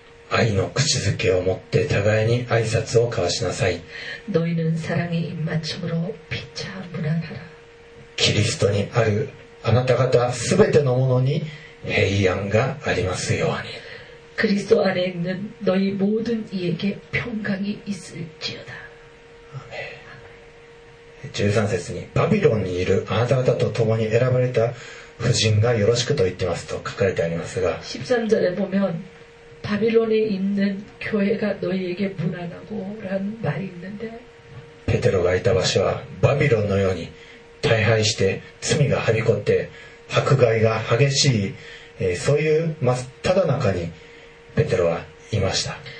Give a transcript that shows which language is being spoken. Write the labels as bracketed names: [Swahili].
[Korean] 아이는 [Japanese] 口づけを持って互いに挨拶を交わしなさい。 [Korean] 너희는사랑의입맞춤으로피차문안하라 [Japanese] キリストにあるあなた方すべてのものに平安がありますように。 [Korean] 그리스도안에있는너희모든이에게평강이있을지어다 [Japanese] 13節にバビロンにいるあなた方と共に選ばれた婦人がよろしくと言ってますと書かれてありますが、 [Korean] 13절에보면바빌론에있는교회가너희에게문안하고라는말이있는데 [Japanese] ペテロがいた場所はバビロンのように大敗して罪がはびこって迫害が激しい、そういう真っただ中にペテロはいました。